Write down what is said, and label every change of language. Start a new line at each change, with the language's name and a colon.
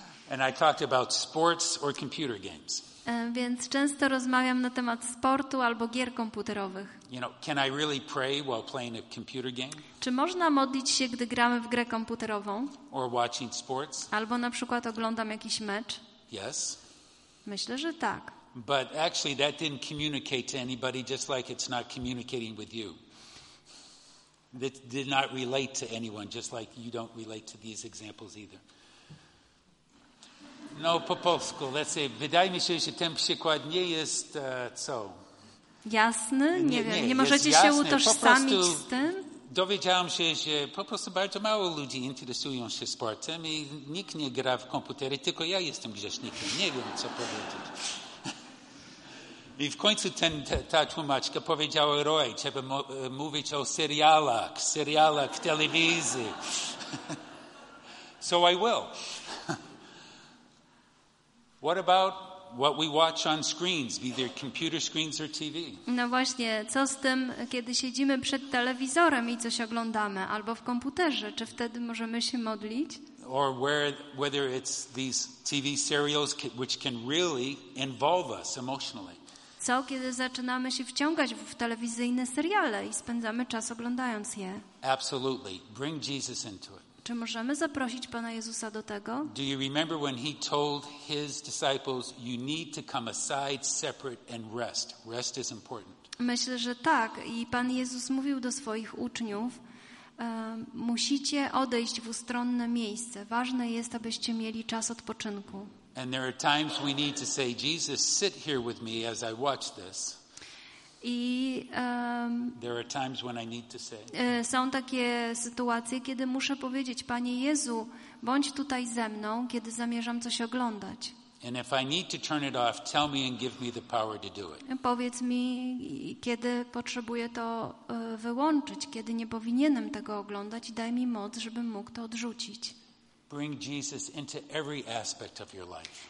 English: And I talked about sports or computer games.
Polish: Więc często rozmawiam na temat sportu albo gier komputerowych.
English: You know, can I really pray while playing a computer game?
Polish: Czy można modlić się, gdy gramy w grę komputerową?
English: Or watching sports?
Polish: Albo na przykład oglądam jakiś mecz?
English: Yes.
Polish: Myślę, że tak.
English: But actually that didn't communicate to anybody, just like it's not communicating with you. That did not relate to anyone, just like you don't relate to these examples either.
Polish: No, po polsku,
English: let's say,
Polish: wydaje mi się, że ten przykład nie jest, co? Jasny? Nie możecie się utożsamić z tym? Dowiedziałam się, że po prostu bardzo mało ludzi interesują się sportem i nikt nie gra w komputery, tylko ja jestem grzesznikiem, nie wiem, co powiedzieć. I w końcu ta tłumaczka powiedziała, Roy, trzeba mówić o serialach w telewizji.
English: So I will. What about what we watch on screens, be they computer screens or TV?
Polish: No właśnie, co z tym, kiedy siedzimy przed telewizorem i coś oglądamy, albo w komputerze, czy wtedy możemy się modlić?
English: Or whether it's these TV serials which can really involve us emotionally.
Polish: Co, kiedy zaczynamy się wciągać w telewizyjne seriale i spędzamy czas oglądając je?
English: Absolutely, bring Jesus into it.
Polish: Czy możemy zaprosić Pana Jezusa do tego?
English: Do you remember when he told his disciples, you need to come aside, separate and rest. Rest is important.
Polish: Myślę, że tak. I Pan Jezus mówił do swoich uczniów, musicie odejść w ustronne miejsce. Ważne jest, abyście mieli czas odpoczynku.
English: And there are times we need to say, Jesus, sit here with me as I watch this. There are times when I need to say.
Polish: Są takie sytuacje, kiedy muszę powiedzieć: Panie Jezu, bądź tutaj ze mną, kiedy zamierzam coś oglądać.
English: And if I need to turn it off, tell me and give me the power to do it.
Polish: Powiedz mi, kiedy potrzebuję to wyłączyć, kiedy nie powinienem tego oglądać, i daj mi moc, żebym mógł to odrzucić.
English: Bring Jesus into every aspect of your life.